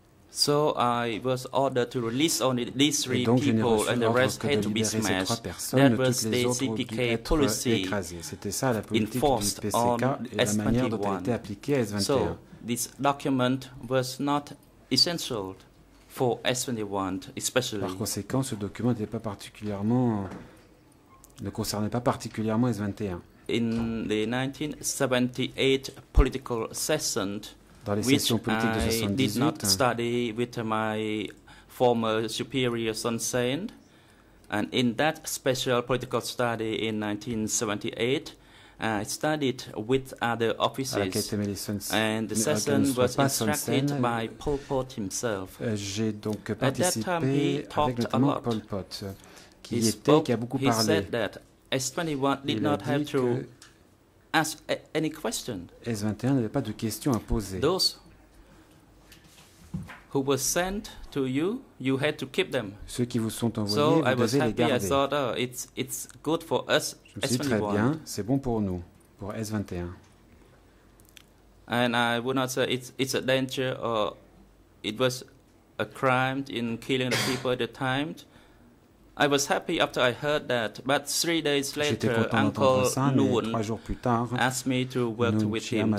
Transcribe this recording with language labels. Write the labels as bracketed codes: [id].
[en] So I was ordered to release only these three people and the rest had to be smashed. That was the CPK policy enforced on S21. So this document was not essential for S21 especially. [fr] Par conséquent, ce document n'était pas particulièrement ne concernait pas particulièrement S21. [en] In the 1978 political session, [fr] dans les sessions politiques de 78, [en] I did not study with my former superior Sun Sen, and in that special political study in 1978, I studied with other officers, and the session was instructed by Pol Pot himself. [fr] J'ai donc participé avec notamment Pol Pot. [en] He said that S21 did not have to ask any question. [fr] S21 n'avait pas de questions à poser. [en] Those who were sent to you, you had to keep them. [fr] Ceux qui vous sont envoyés, vous devez les garder. [en] So I was happy. I thought, oh, it's good for us. S21. [fr] Je me suis dit, très bien, c'est bon pour nous, pour S21. [en] And I would not say it's a danger or it was a crime in killing the people at the time. I was happy after I heard that, but 3 days later, Uncle Nguyen asked me to work with him.